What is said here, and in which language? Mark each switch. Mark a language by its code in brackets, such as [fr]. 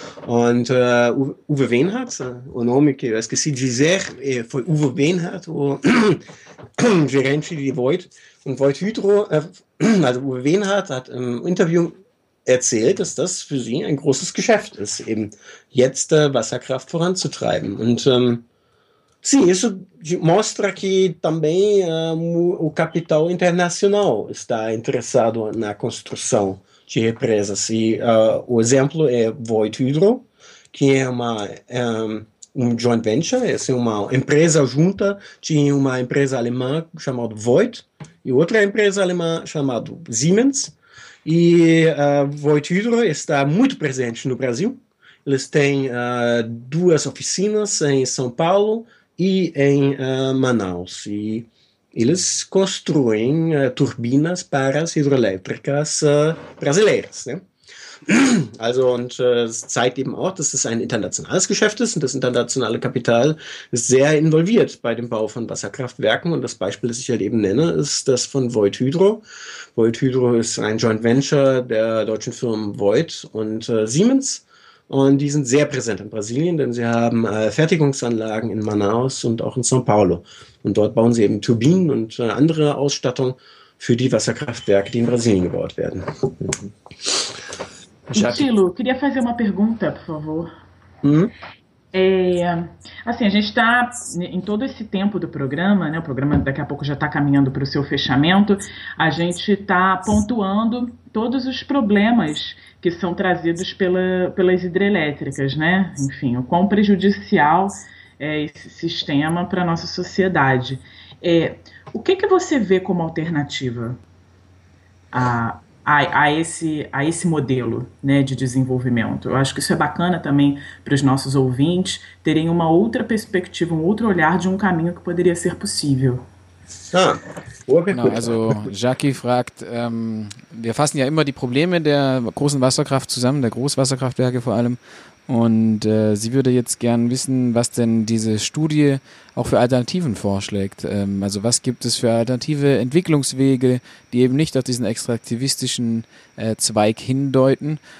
[de] Und Uwe Wenhardt, [pt] o nome que eu esqueci de dizer, foi Uwe Wenhardt, o gerente de Void [de] und Void Hydro, also Uwe Wenhardt hat im Interview erzählt, dass das für sie ein großes Geschäft ist, eben jetzt Wasserkraft voranzutreiben. [pt] Und sim, isso mostra que também o capital internacional está interessado na construção de represas. E o exemplo é Void Hydro, que é um joint venture, é assim, uma empresa junta de uma empresa alemã chamada Void e outra empresa alemã chamada Siemens. E Void Hydro está muito presente no Brasil. Eles têm duas oficinas em São Paulo e em Manaus, e eles construem turbinas para as hidrelétricas brasileiras, né? [de] Also, und es zeigt eben auch, dass es ein internationales Geschäft ist und das internationale Kapital ist sehr involviert bei dem Bau von Wasserkraftwerken. Und das Beispiel, das ich halt eben nenne, ist das von Void Hydro. Void Hydro ist ein Joint Venture der deutschen Firmen Void und Siemens. Und die sind sehr präsent in Brasilien, denn sie haben Fertigungsanlagen in Manaus und auch in São Paulo. Und dort bauen sie eben Turbinen und andere Ausstattung für die Wasserkraftwerke, die in Brasilien gebaut werden. [pt] Chilo, queria fazer uma pergunta, por favor. Assim, a gente está em todo esse tempo do programa, né? O programa daqui a pouco já está caminhando para o seu fechamento. A gente está pontuando todos os problemas que são trazidos pelas hidrelétricas, né? Enfim, o quão prejudicial é esse sistema para a nossa sociedade. O que que você vê como alternativa a esse modelo, né, de desenvolvimento? Eu acho que isso é bacana também para os nossos ouvintes terem uma outra perspectiva, um outro olhar de um caminho que poderia ser possível. [de] Genau, also Jackie fragt, wir fassen ja immer die Probleme der großen Wasserkraft zusammen, der Großwasserkraftwerke vor allem, und sie würde jetzt gern wissen, was denn diese Studie auch für Alternativen vorschlägt. Also was gibt es für alternative Entwicklungswege, die eben nicht auf diesen extraktivistischen Zweig hindeuten?